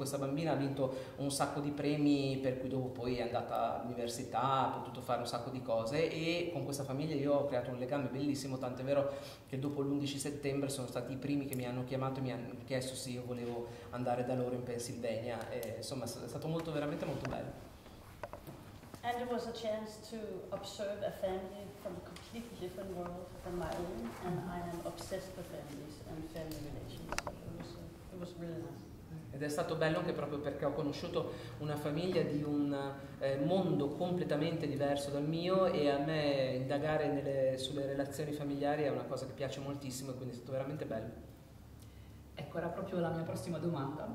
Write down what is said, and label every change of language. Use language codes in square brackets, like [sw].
[it] Questa bambina ha vinto un sacco di premi, per cui dopo poi è andata all'università, ha potuto fare un sacco di cose, e con questa famiglia io ho creato un legame bellissimo, tant'è vero che dopo l'11 settembre sono stati i primi che mi hanno chiamato e mi hanno chiesto se io volevo andare da loro in Pennsylvania. Insomma, è stato molto, veramente molto bello. [en] And it was a chance to observe a family from a completely different world than my own, and I am obsessed with families and family relations. It was really nice. [it] Ed è stato bello anche proprio perché ho conosciuto una famiglia di un mondo completamente diverso dal mio, e a me indagare sulle relazioni familiari è una cosa che piace moltissimo, e quindi è stato veramente bello. Ecco, era proprio la mia prossima domanda.